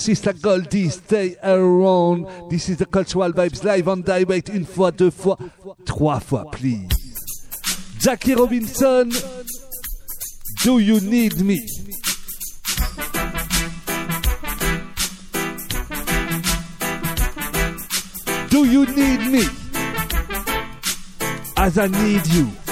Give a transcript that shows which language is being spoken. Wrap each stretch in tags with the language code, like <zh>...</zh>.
<en>Sister Goldie, stay around. This is the Cultural Vibes live on direct.</en> <fr>Une fois, deux fois, trois fois,</fr> <en>please. Jackie Robinson, do you need me? Do you need me? As I need you.</en>